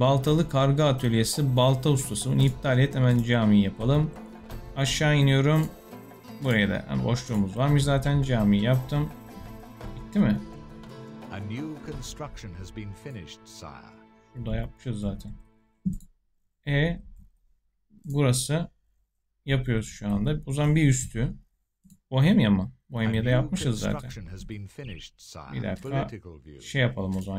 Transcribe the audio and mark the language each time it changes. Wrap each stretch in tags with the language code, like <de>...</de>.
<tr>Baltalı karga atölyesi, balta ustası. Bunu iptal et, hemen cami yapalım. Aşağı iniyorum. Buraya da yani boşluğumuz varmış zaten. Cami yaptım. Bitti mi?</tr> <en>A new construction has been finished, sir.</en> <tr>Burada yapmışız zaten. Burası yapıyoruz şu anda. O zaman bir üstü. Bohemia mı? Bohemia'da yapmışız zaten. Bir dakika şey yapalım o zaman.</tr>